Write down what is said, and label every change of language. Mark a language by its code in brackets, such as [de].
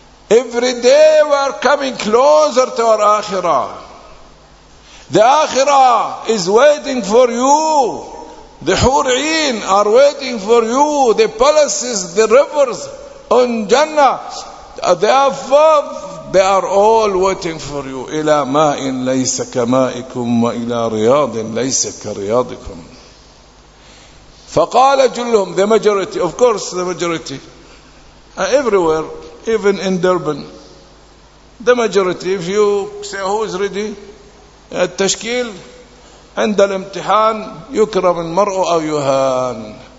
[en] Every day we are coming closer to our akhirah. The akhirah is waiting for you. The hur'een are waiting for you. The palaces, the rivers on Jannah, they are above. They are all waiting for you. [ar] إلى ماء ليس كمائكم وإلى رياض ليس كرياضكم. فقال جلهم, [en] the majority, of course the majority, everywhere, even in Durban, the majority, if you say who is ready, [ar] التشكيل عند الامتحان يكرم المرء أو يهان.